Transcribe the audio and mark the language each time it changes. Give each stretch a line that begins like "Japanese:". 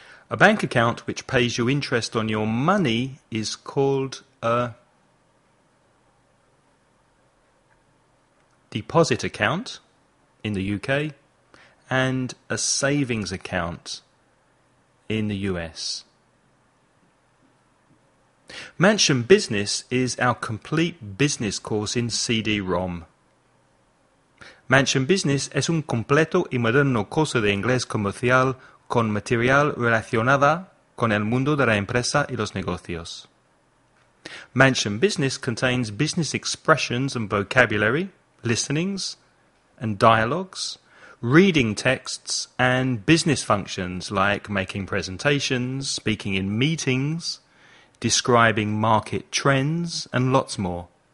English: A bank account which pays you interest on your money is called a deposit account in the UK and a savings account in the US. Mansion Business is our complete business course in CD-ROM.
Spanish: Mansion Business es un completo y moderno curso de inglés comercial con material relacionada con el mundo de la empresa y los negocios.
English: Mansion Business contains business expressions and vocabulary, listenings and dialogues, reading texts and business functions like making presentations, speaking in meetings, describing market trends, and lots more.